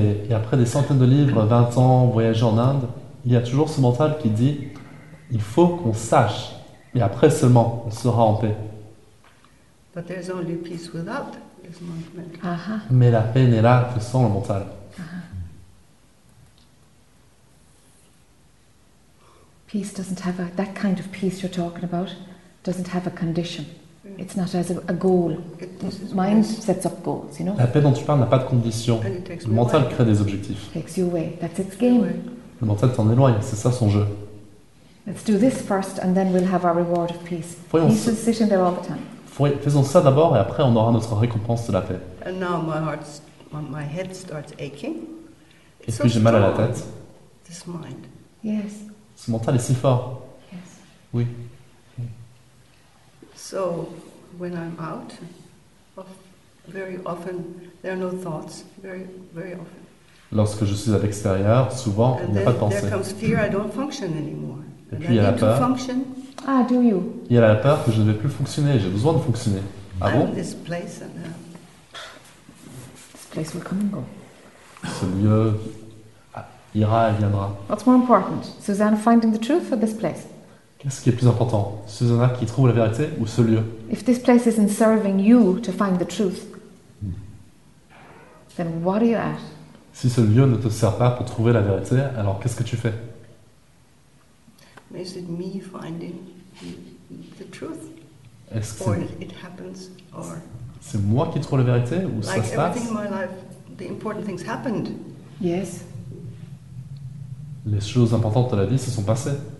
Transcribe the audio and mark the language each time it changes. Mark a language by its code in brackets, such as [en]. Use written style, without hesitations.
[fr] Et après des centaines de livres, 20 ans, voyager en Inde, il y a toujours ce mental qui dit, il faut qu'on sache. Et après seulement, on sera en paix. [en] But there's only peace without this movement. [fr] Mais la paix n'est là que sans le mental. [en] Peace doesn't have that kind of peace you're talking about. Doesn't have a condition. It's not as a goal. Mind sets up goals, you know. [fr] La paix dont tu parles n'a pas de condition. Le mental crée des objectifs. [en] Takes you away. That's its game. [fr] Le mental t'en éloigne. C'est ça son jeu. [en] Let's do this first, and then we'll have our reward of peace. Peace is sitting there all the time. [fr] Faisons ça d'abord, et après on aura notre récompense de la paix. [en] And now my head starts aching. [fr] Est-ce que j'ai mal à la tête? [en] This mind. Yes. [fr] Ce mental est si fort. [en] Yes. [fr] Oui. [en] So, when I'm out, very often there are no thoughts. Very often. [fr] Lorsque je suis à l'extérieur, souvent il n'y a pas de pensée. [en] There comes fear. I don't function anymore. [fr] Et puis il y a la peur. [en] Ah, do you? [fr] Il y a la peur que je ne vais plus fonctionner. J'ai besoin de fonctionner. Ah bon? [en] This place and this place will come and go. [fr] Ce lieu ira et viendra. [en] What's more important, Susanna finding the truth or this place? [fr] Qu'est-ce qui est plus important, Susanna qui trouve la vérité ou ce lieu? [en] If this place isn't serving you to find the truth, then what are you at? [fr] Si ce lieu ne te sert pas pour trouver la vérité, alors qu'est-ce que tu fais? [en] Is it me finding the truth? [fr] Est-ce que [en] it happens, or [fr] c'est moi qui trouve la vérité ou [en] like [fr] ça se passe? [en] Like everything in my life, the important things happened. Yes. [fr] Les choses importantes de la vie se sont passées.